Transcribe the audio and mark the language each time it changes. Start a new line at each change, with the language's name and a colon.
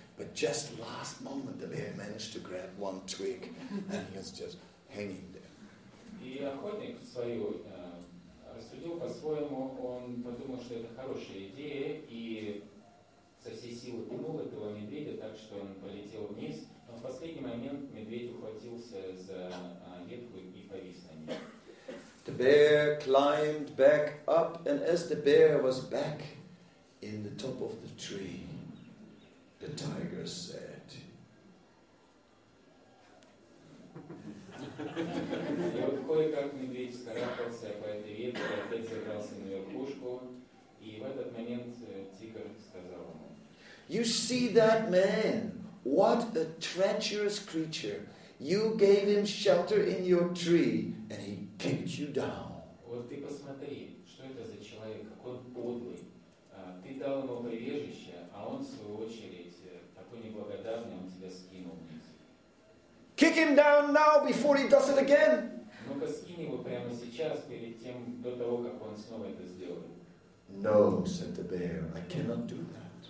English: But just last moment, the bear managed to grab one twig and he was just hanging there.
Russian: В последний момент медведь ухватился за ветку и повис на ней.
English: The bear climbed back up, and as the bear was back in the top of the tree, the tiger said.
Russian: И вот кое-как медведь скарабкался по этой ветке, опять забрался на верхушку, и в этот момент тигр сказал ему:
English: "You see that man? What a treacherous creature. You gave him shelter in your tree and he kicked you down."
Russian: Вот ты посмотри, что это за человек, какой подлый. Ты дал ему прибежище, а он, в свою очередь, такой неблагодарный, он тебя скинул вниз.
English: Kick him down now before he does it again.
Russian: Ну-ка скинь его прямо сейчас, перед тем, до того, как он снова это сделает.
English: "No," said the bear, "I cannot do that."